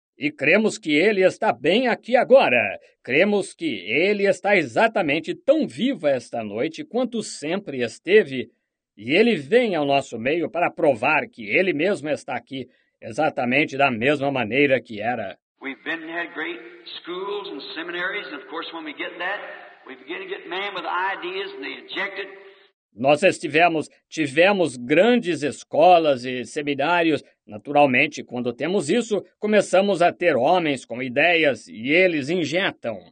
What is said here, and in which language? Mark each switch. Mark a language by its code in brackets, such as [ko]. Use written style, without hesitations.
[pt] E cremos que ele está bem aqui agora. Cremos que ele está exatamente tão vivo esta noite quanto sempre esteve. E ele vem ao nosso meio para provar que ele mesmo está aqui. Exatamente da mesma maneira que era. [en] We've been and had great schools and seminaries, and of course when we get that, we begin to get man with ideas and they eject it. [pt] Nós tivemos grandes escolas e seminários. Naturalmente, quando temos isso, começamos a ter homens com ideias e eles injetam.